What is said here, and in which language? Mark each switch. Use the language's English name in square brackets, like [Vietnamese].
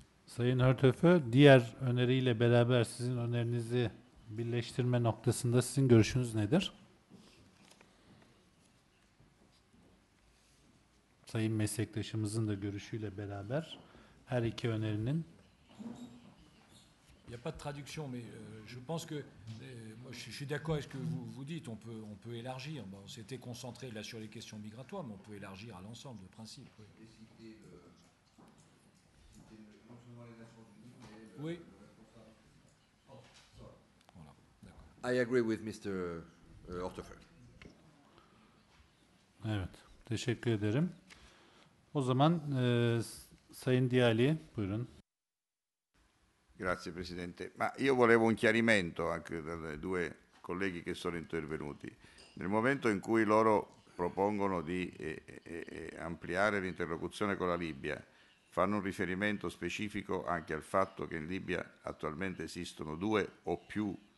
[Turkish] Sayın Hörtöfe, diğer öneriyle beraber sizin önerinizi birleştirme noktasında sizin görüşünüz nedir? Sayın meslektaşımızın da görüşüyle beraber her iki önerinin. [French] Il y a pas de traduction, mais je pense que moi je suis d'accord avec ce que vous dites. On peut élargir. Bon, on s'était concentré là sur les questions migratoires, mais on peut élargir à l'ensemble de principes. Oui. Oui. [English] I agree with Mr. Ortofer. [Turkish] Evet, teşekkür ederim. O zaman Sayın Diali, buyurun. [Italian] Grazie Presidente, ma io volevo un chiarimento anche dai due colleghi che sono intervenuti. Nel momento in cui loro propongono di ampliare l'interlocuzione con la Libia, fanno un riferimento specifico anche al fatto che in Libia attualmente esistono due o più